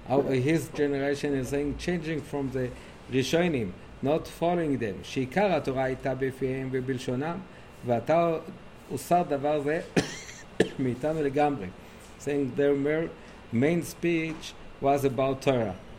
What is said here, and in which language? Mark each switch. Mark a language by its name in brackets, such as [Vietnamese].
[English] His generation is saying, changing from the ראשונים, not following them. [Hebrew] שעיקר התורה הייתה בפיהם ובלשונם, ואתה הוסר דבר זה מאיתנו לגמרי. [English] Saying their main speech was about Torah.